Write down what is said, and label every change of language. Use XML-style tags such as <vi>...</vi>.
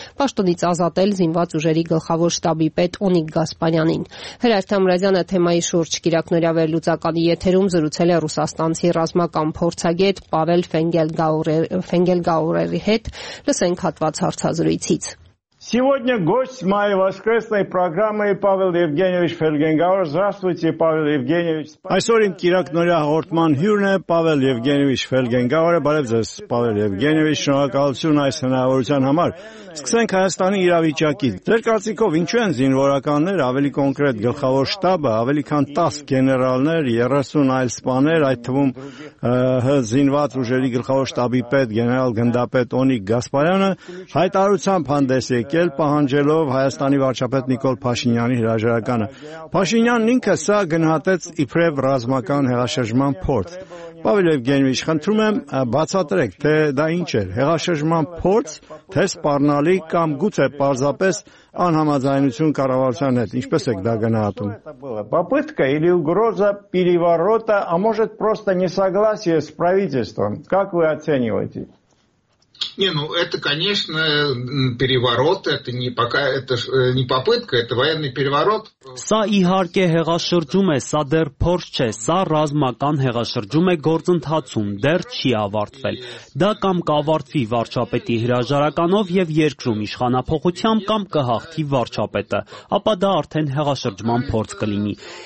<hy>պաշտոնից ազատել զինված ուժերի գլխավոր շտաբի պետ Օնիկ Գասպարյանին։ Հրաշ Թամրազյանը թեմայի շուրջ կիրակնորյավել լուսականի եթերում զրուցել է ռուսաստանցի ռազմական փորձագետ Պավել Фенгельгауэрի հետ, լսենք հատված հարցազրույցից։</hy> <ru>Сегодня гость моей воскресной программы Павел Евгеньевич Фенгельгауэр. Здравствуйте, Павел Евгеньевич.</ru> <hy>Այսօր իմ կիրակնորյա հաղորդման հյուրն է Павел Евгеньевич Фенгельгауэр. Բարև ձեզ, Павел Евгеньевич. Շնորհակալություն այս հնարավորության համար։ Սկսենք Հայաստանի իրավիճակից։ Ձեր կարծիքով ինչու են զինվորականներ, ավելի կոնկրետ գլխավոր շտաբը, ավելի քան 10 գեներալներ, 30 այլ սպաներ, այդ թվում զինված ուժերի գլխավոր շտաբի պետ գեներալ գնդապետ Օնիկ Գասպարյանը հայտարարությամբ հանդես եկել, պահանջելով Հայաստանի վարչապետ Նիկոլ Փաշինյանի հրաժարականը։ Փաշինյանն ինքը սա գնահատեց իբրև ռազմական հեղաշրջման փորձ։ Պավել Եվգենիչ, խնդրում եմ, բացատրեք, թե դա ինչ էր, հեղաշրջման փորձ, թե սպառնալի կամ գուցե պարզապես անհամաձայնություն կառավարության հետ, ինչպես եք դա գնահատում։</hy> <ru>Попытка или угроза переворота, а может просто несогласие с правительством? Как вы оцениваете? Не, ну это, конечно, переворот, это не пока это не попытка, это военный переворот.</ru> <hy>Սա իհարկե հեղաշրջում է, սա դեռ փորձ չէ, սա ռազմական հեղաշրջում է գործընթացում, դեռ չի ավարտվել։ Դա կամ կավարտվի վարչապետի հրաժարականով եւ երկրում իշխանապողությամբ, կամ կհաղթի վարչապետը, ապա դա արդեն հեղաշրջման փորձ կլինի։</hy>